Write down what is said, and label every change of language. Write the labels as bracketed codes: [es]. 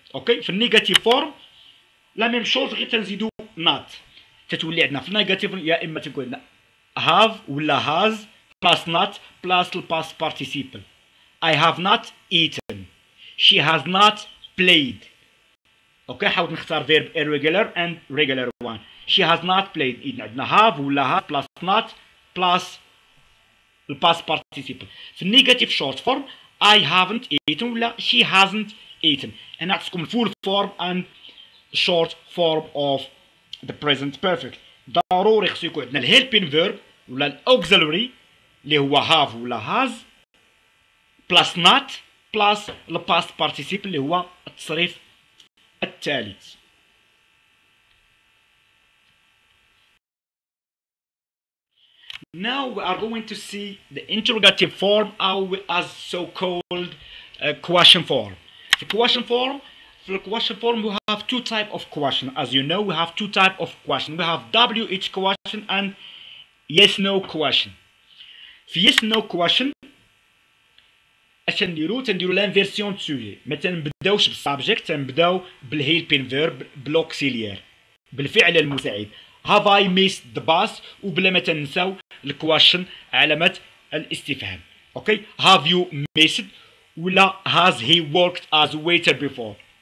[ar] اوكي في النيجاتيف فورم [fr] لا ميم شوز [ar] غير تنزيدو نات تتولي عندنا في النيجاتيف يا اما تكون عندنا هاف ولا هاز بلاس نات بلاس الباست بارتيسيبل اي هاف نات ايتن شي هاز نات بلايد. اوكي حاول نختار فيرب irregular اند regular وان شي هاز نات بلايد اذا عندنا هاف ولا هاف بلاس نات بلاس الباست بارتيسيبل. في النيجاتيف شورت فورم [en] I haven't eaten ولا she hasn't eaten. And that's come full form and short form of the present perfect. [ar] ضروري خصو يكون عندنا الهيلبينغ فيرب ولا الاوكزيلوري اللي هو هاف ولا هاز بلاس نات بلاس الباست بارتيسيب اللي هو التصريف الثالث. [en] Now we are going to see the interrogative form or as so-called question form. The question form, for the question form we have two types of question. As you know, we have two types of question. We have WH question and yes-no question. For yes-no question, [ar] عشان نديرو تنديرو لان فيرسيون سوجي ما تنبداوش بالسابجكت تنبداو بالهيلبين فيرب بالوكسيليير بالفعل المساعد [en] have I missed the bus [ar] وبلا ما تنساو الكواشن علامة الاستفهام اوكي [en] have you missed [ar] ولا [en] has he worked as waiter before